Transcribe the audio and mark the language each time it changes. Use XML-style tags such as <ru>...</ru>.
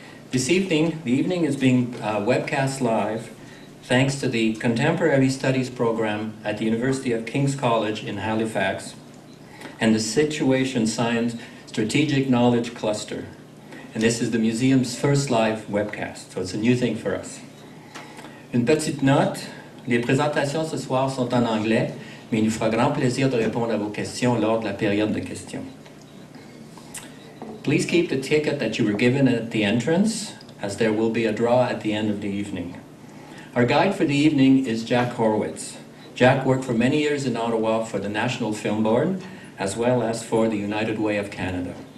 <en>This evening, the evening is being webcast live thanks to the Contemporary Studies Program at the University of King's College in Halifax and the Situation Science Strategic Knowledge Cluster. And this is the Museum's first live webcast, so it's a new thing for us.</en> <fr>Une petite note, les présentations ce soir sont en anglais, mais il nous fera grand plaisir de répondre à vos questions lors de la période de questions.</fr> <en>Please keep the ticket that you were given at the entrance, as there will be a draw at the end of the evening. Our guide for the evening is Jack Horowitz. Jack worked for many years in Ottawa for the National Film Board, as well as for the United Way of Canada.</en>